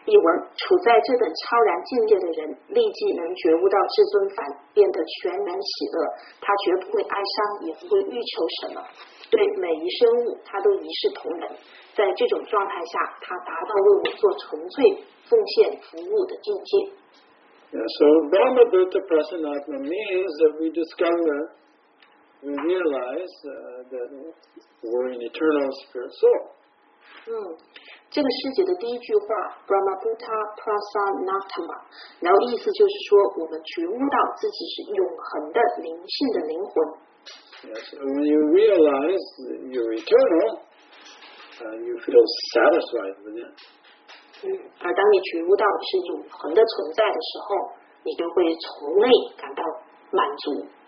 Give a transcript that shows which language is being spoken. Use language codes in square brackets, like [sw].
[zh] 译文，处在这等超然境界的人，立即能觉悟到至尊法，变得全然喜乐。他绝不会哀伤，也不会欲求什么。对每一生物，他都一视同仁。在这种状态下，他达到为我做纯粹奉献服务的境界。 [en] Yeah, so [sa] Brahma Bhuta Prasanatma [en] means that we discover, we realize that we're an eternal spirit soul. [zh] 这个诗节的第一句话 [sa] Brahma Bhuta Prasanatma, [zh] 然后意思就是说我们觉悟到自己是永恒的灵性的灵魂。 [en] Yeah, so when you realize you're eternal, you feel satisfied with it. [zh] 而当你觉悟到你是永恒的存在的时候，你就会从内感到满足。